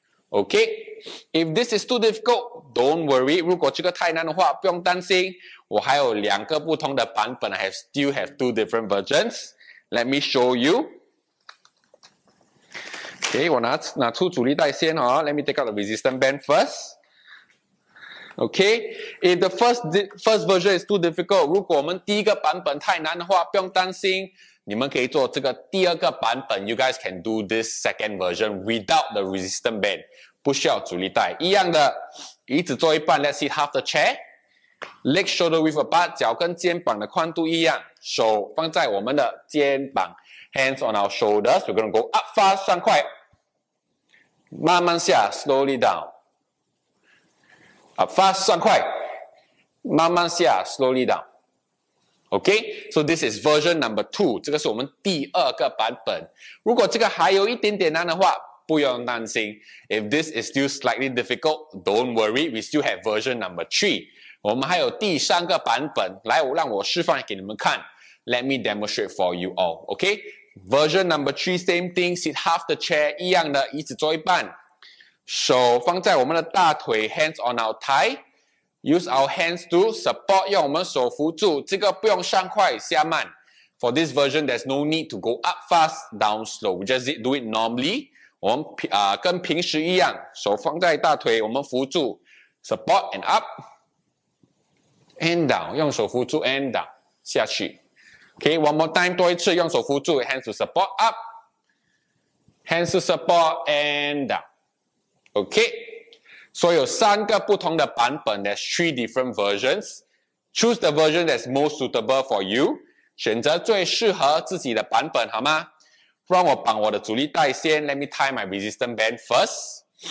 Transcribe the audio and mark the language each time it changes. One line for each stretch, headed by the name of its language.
English: Okay, if this is too difficult, don't worry.
Chinese: 如果这个太难的话不用担心。我还有两个不同的版本
English: I still have two different versions. Let me show you. Okay,
Chinese: 我拿出阻力带先哦。
English: Let me take out the resistance band first. Okay, if the first version is too difficult,
Chinese: 如果我们第一个版本太难的话不用担心。你们可以做这个第二个版本
English: ，You guys can do this second version without the resistance band，
Chinese: 不需要阻力带，一样的，椅子坐一半
English: ，Let's sit half the chair， leg shoulder width apart，
Chinese: 脚跟肩膀的宽度一样，手放在我们的肩膀
English: ，hands on our shoulders， we're gonna go up fast，
Chinese: 上快，慢慢下
English: ，slowly down， up fast， 上快，慢慢下 ，slowly down。 Okay, so this is version number two.
Chinese: 这个是我们第二个版本。如果这个还有一点点难的话，不用担心。
English: If this is still slightly difficult, don't worry. We still have version number three.
Chinese: 我们还有第三个版本。来，让我示范给你们看。
English: Let me demonstrate for you all. Okay, version number three, same thing. Sit half the chair,
Chinese: 一样的，椅子坐一半。
English: 手放在我们的大腿 ， hands on our thigh. Use our hands to support, 用我们手扶住，这个不用上快下慢。 For this version, there's no need to go up fast, down slow. We just do it normally.
Chinese: 我们跟平时一样，手放在大腿，我们扶住
English: ，support and up and down.
Chinese: 用手扶住
English: and down
Chinese: 下去。
English: Okay, one more time,
Chinese: 多一次，用手扶住
English: ，hands to support up, hands to support and down. Okay. So,
Chinese: 有三个不同的版本
English: there's three different versions. Choose the version that's most suitable for you.
Chinese: 选择最适合自己的版本好吗？让我绑我的阻力带先
English: Let me tie my resistance band first.